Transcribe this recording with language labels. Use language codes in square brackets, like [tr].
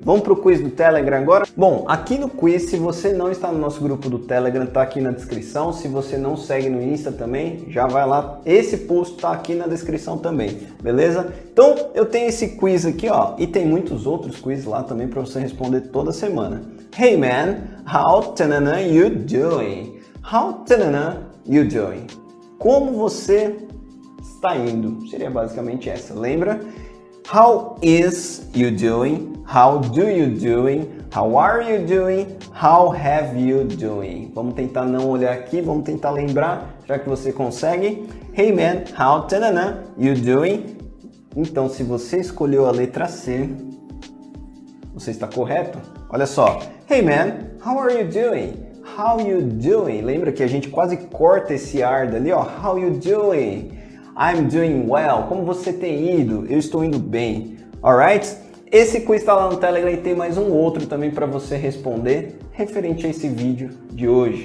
[pt] Vamos para o quiz do Telegram agora? Bom, aqui no quiz, se você não está no nosso grupo do Telegram, está aqui na descrição. Se você não segue no Insta também, já vai lá. Esse post está aqui na descrição também, beleza? Então, eu tenho esse quiz aqui, ó. E tem muitos outros quiz lá também para você responder toda semana. [en] Hey, man, how tanana you doing? How tanana you doing? [pt] Como você está indo? Seria basicamente essa, lembra? [en] How is you doing? How do you doing? How are you doing? How have you doing? [pt] Vamos tentar não olhar aqui, vamos tentar lembrar. Será que você consegue? Hey man, how tanana you doing? Então, se você escolheu a letra C, você está correto? Olha só. [en] Hey man, how are you doing? How you doing? [pt] Lembra que a gente quase corta esse ar dali, ó. [en] How you doing? I'm doing well. [pt] Como você tem ido? Eu estou indo bem. Alright? Esse quiz está lá no Telegram e tem mais um outro também para você responder referente a esse vídeo de hoje.